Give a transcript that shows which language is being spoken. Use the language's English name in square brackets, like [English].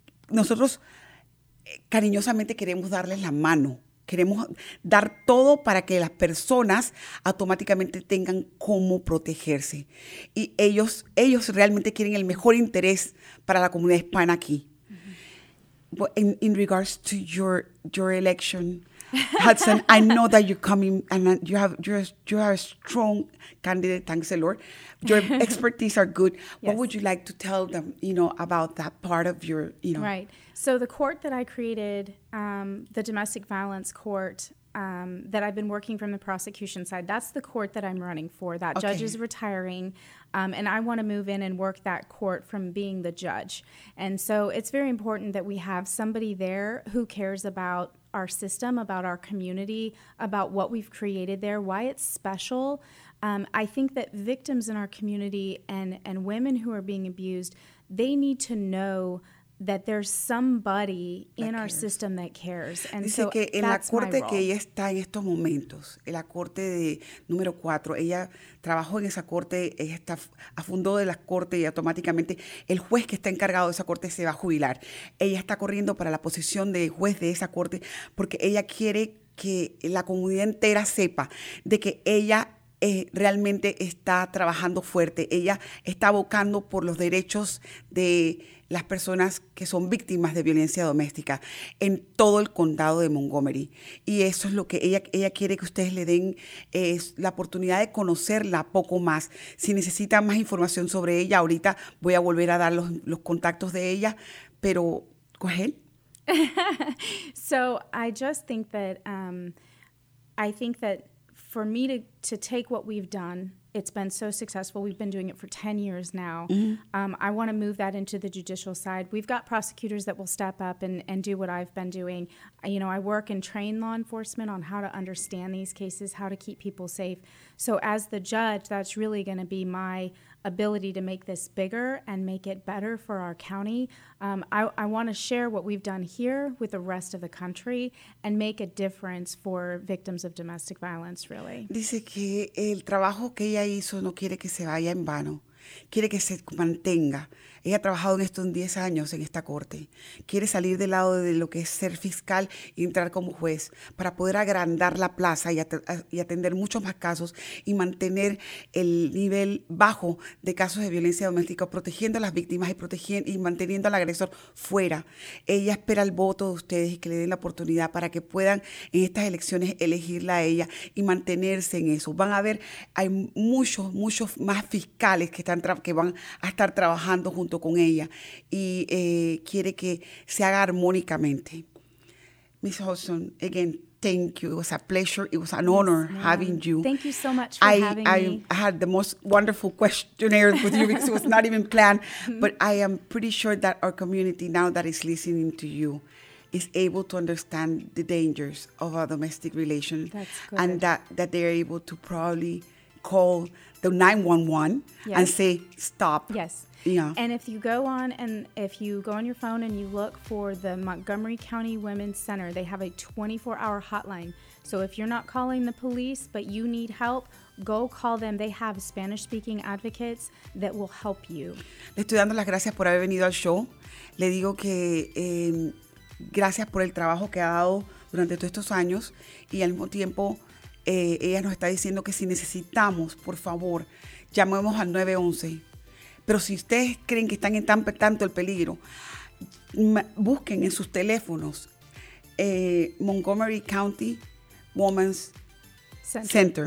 [Spanish] Nosotros cariñosamente queremos darles la mano, queremos dar todo para que las personas automáticamente tengan cómo protegerse. Y ellos realmente quieren el mejor interés para la comunidad hispana aquí. Mm-hmm. [English] In regards to your election, Hutson, I know that you're coming and you are a strong candidate, thanks the Lord. Your expertise are good. Yes. What would you like to tell them, you know, about that part of your, you know? Right. So the court that I created, the domestic violence court, that I've been working from the prosecution side, that's the court that I'm running for. That judge is retiring. And I want to move in and work that court from being the judge. And so it's very important that we have somebody there who cares about our system, about our community, about what we've created there, why it's special. I think that victims in our community and women who are being abused, they need to know that there's somebody in our system that cares. And [Spanish] dice que en la corte que ella está en estos momentos, en la corte de número 4, ella trabajó en esa corte, ella está a fondo de la corte y automáticamente el juez que está encargado de esa corte se va a jubilar. Ella está corriendo para la posición de juez de esa corte porque ella quiere que la comunidad entera sepa de que ella realmente está trabajando fuerte. Ella está abocando por los derechos de las personas que son víctimas de violencia doméstica en todo el condado de Montgomery. Y eso es lo que ella quiere que ustedes le den, es la oportunidad de conocerla poco más. Si necesitan más información sobre ella, ahorita voy a volver a dar los contactos de ella, pero coge. [English] So I just think that for me to take what we've done, it's been so successful. We've been doing it for 10 years now. Mm-hmm. I want to move that into the judicial side. We've got prosecutors that will step up and do what I've been doing. You know, I work and train law enforcement on how to understand these cases, how to keep people safe. So as the judge, that's really going to be my ability to make this bigger and make it better for our county. I want to share what we've done here with the rest of the country and make a difference for victims of domestic violence, really. [Spanish] Dice que el trabajo que ella hizo no quiere que se vaya en vano. Quiere que se mantenga. Ella ha trabajado en esto en 10 años en esta corte. Quiere salir del lado de lo que es ser fiscal y entrar como juez para poder agrandar la plaza y atender muchos más casos y mantener el nivel bajo de casos de violencia doméstica, protegiendo a las víctimas y manteniendo al agresor fuera. Ella espera el voto de ustedes y que le den la oportunidad para que puedan en estas elecciones elegirla a ella y mantenerse en eso. Van a ver, hay muchos, muchos más fiscales que van a estar trabajando junto con ella y quiere que se haga armónicamente. [English] Ms. Hutson, again, thank you. It was a pleasure. It was an honor having you. Thank you so much for having me. I had the most wonderful questionnaire with you because it was not even planned. But I am pretty sure that our community now that is listening to you is able to understand the dangers of a domestic relation. That's good. And that they're able to probably call the 911 and say, stop. Yes. Yeah. And if you go on your phone and you look for the Montgomery County Women's Center, they have a 24-hour hotline. So if you're not calling the police but you need help, go call them. They have Spanish-speaking advocates that will help you. [Spanish] Le estoy dando las gracias por haber venido al show. Le digo que gracias por el trabajo que ha dado durante todos estos años. Y al mismo tiempo, ella nos está diciendo que si necesitamos, por favor, llamemos al 911. Pero si ustedes creen que están en tanto el peligro, busquen en sus teléfonos Montgomery County Women's Center.